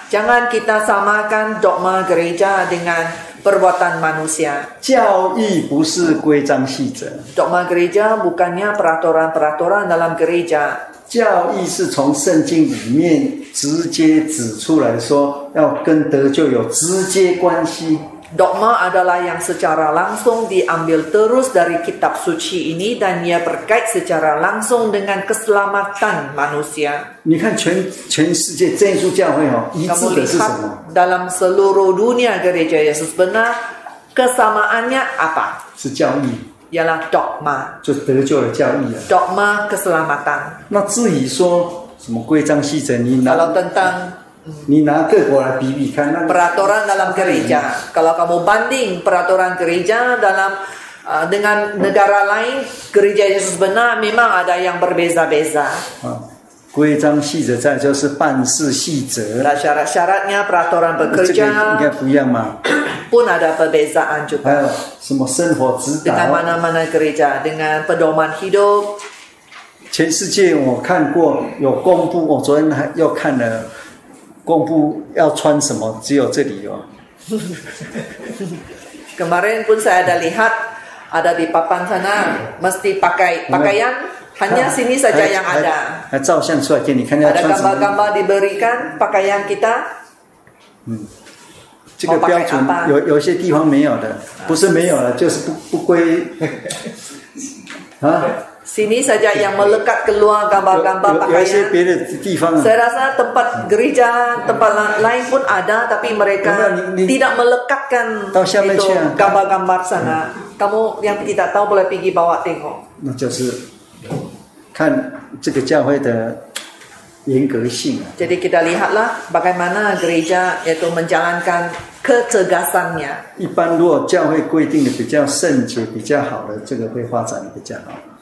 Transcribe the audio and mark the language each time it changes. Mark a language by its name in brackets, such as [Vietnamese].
[Malay] Jangan kita samakan dogma gereja dengan perbuatan manusia. [Chinese] 教义不是规章细则。 [Malay] Dogma gereja bukannya peraturan-peraturan dalam gereja. [Chinese] 教义是从圣经里面直接指出来说，要跟得救有直接关系。 [Malay] Dogma adalah yang secara langsung diambil terus dari kitab suci ini dan ia berkait secara langsung dengan keselamatan manusia. [Chinese] 你看全世界真主教会哦，一致的是什么？ [Malay] Dalam seluruh dunia gereja Yesus benar, kesamaannya apa? [Chinese] 是教义。 [Malay] Ialah dogma. [Chinese] 就得救的教义啊。 [Malay] Dogma keselamatan. [Chinese] 那至于说什么规章细则，你拿。 [Malay] Kalau tentang [Chinese] 你拿各国来比比看，那 [Malay] peraturan dalam gereja, kalau kamu banding peraturan gereja dalam dengan negara lain, gereja Yesus benar memang ada yang berbeza-beza. [Chinese] 规章细则在就是办事细则。 [Malay] Nah, syarat-syaratnya peraturan bekerja. [Chinese] 这个应该不一样嘛。 [Malay] Pun ada perbezaan juga. [Chinese] 还有什么生活指导？ [Malay] Dengan mana-mana gereja, dengan pedoman hidup. [Chinese] 全世界我看过有公布，我昨天还又看了。公布要穿什么？只有这里有。 [Malay] Kemarin pun saya ada lihat ada di papan sana mesti pakai pakaian hanya sini saja yang ada. [Chinese] 还照相出来给你看要穿什么？ [Malay] ada gambar-gambar diberikan pakaian kita. [Chinese] 这个标准有些地方没有的，不是没有了，就是不归。 [Malay] 啊。Sini saja yang melekat keluar gambar-gambar pakaian. Saya rasa tempat gereja, tempat lain pun ada, tapi mereka tidak melekatkan itu gambar-gambar sana. Kamu yang tidak tahu boleh pergi bawa tengok. [Chinese] 那就是看这个教会的严格性。 [Malay] Jadi kita lihatlah bagaimana gereja itu menjalankan ketegasannya. [Chinese] 一般如果教会规定的比较圣洁、比较好的，这个会发展比较好。